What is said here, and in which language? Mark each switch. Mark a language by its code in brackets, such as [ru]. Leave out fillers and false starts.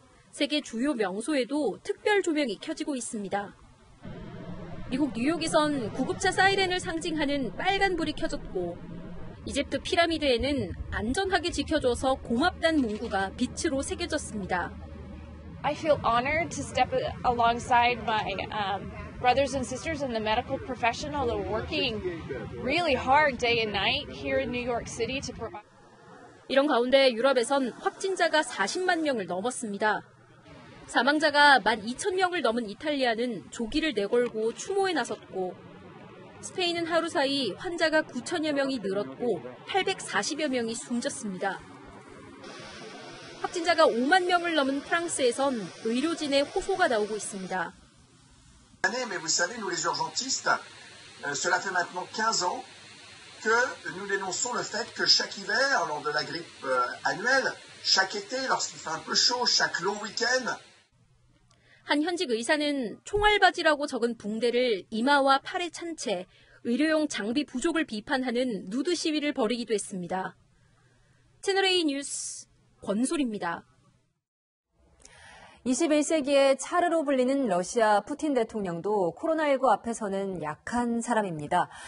[ko] 세계 주요 명소에도 특별 조명이 켜지고 있습니다. 미국 뉴욕에선 구급차 사이렌을 상징하는 빨간불이 켜졌고 이집트 피라미드에는 안전하게 지켜줘서 고맙다는 문구가 빛으로 새겨졌습니다. [en] I feel honored to step alongside my brothers and sisters and the medical professional that are working really hard day and night here in New York City to provide. [ko] 이런 가운데 유럽에선 확진자가 40만 명을 넘었습니다. 사망자가 12,000 명을 넘은 이탈리아는 조기를 내걸고 추모에 나섰고 스페인은 하루 사이 환자가 9,000여 명이 늘었고 840여 명이 숨졌습니다. 확진자가 5만 명을 넘은 프랑스에선 의료진의 호소가 나오고 있습니다. [fr] Mais vous savez, nous les urgentistes, cela fait maintenant 15 ans que nous dénonçons le fait que chaque hiver, lors de la grippe annuelle, chaque été, lorsqu'il fait un peu chaud, chaque long week-end. [ko] 한 현직 의사는 총알바지라고 적은 붕대를 이마와 팔에 찬 채 의료용 장비 부족을 비판하는 누드 시위를 벌이기도 했습니다. 채널A 뉴스 권솔입니다. 21세기의 차르로 불리는 러시아 푸틴 대통령도 코로나19 앞에서는 약한 사람입니다.